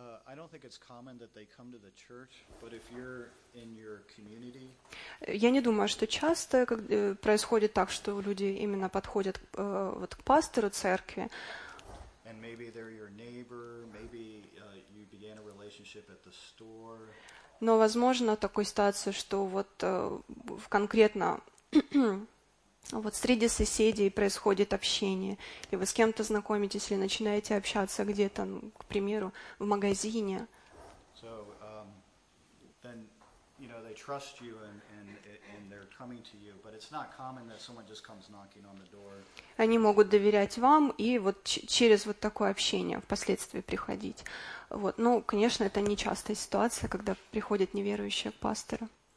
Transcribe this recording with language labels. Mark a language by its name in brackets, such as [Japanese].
[English] I don't think it's common that they come to the church, but if you're in your community, [Russian] я не думаю, что часто происходит так, что люди именно подходят вот к пастору церкви. [English] And maybe they're your neighbor, maybe you began a relationship at the store. [Russian] Но возможно такой ситуации, что вот в конкретно вот среди соседей происходит общение, и вы с кем-то знакомитесь или начинаете общаться где-то, ну, к примеру, в магазине. [English] So, then, you know, they trust you and they're coming to you, but it's not common that someone just comes knocking on the door. [Russian] Они могут доверять вам и вот через вот такое общение впоследствии приходить. Вот. Ну, конечно, это нечастая ситуация, когда приходит неверующий к пастору.